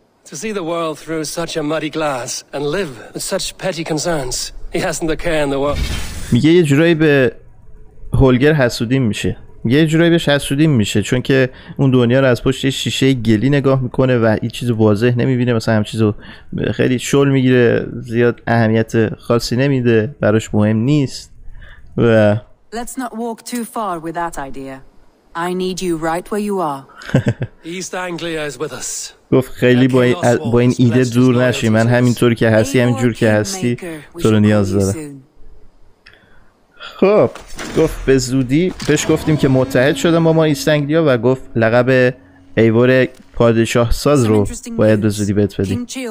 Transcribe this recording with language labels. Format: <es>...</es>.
<en>To see the world through such a muddy glass and live with such petty concerns, he hasn't a care in the world.</en> <fa>میگه یه جورایی به هولگر حسودیم میشه. میگه یه جورایی بهش حسودیم میشه چون که اون دنیا رو از پشت شیشه گلی نگاه میکنه و هیچ چیز واضح نمیبینه، مثلا هم چیزو خیلی شل میگیره، زیاد اهمیت خاصی نمیده، براش مهم نیست. و</fa> <en>Let's not walk too far with that idea. I need you right where you are. East Anglia is with us.</en> <fa>گفت خیلی با این ایده دور نشی، من همینطوری که هستی همینجور که هستی تو رو نیاز دارم. خب گفت به زودی، بهش گفتیم که متحد شدم با ما ایستنگلیا و گفت لقب ایوار پادشاه ساز رو باید به زودی بهت بدیم.</fa>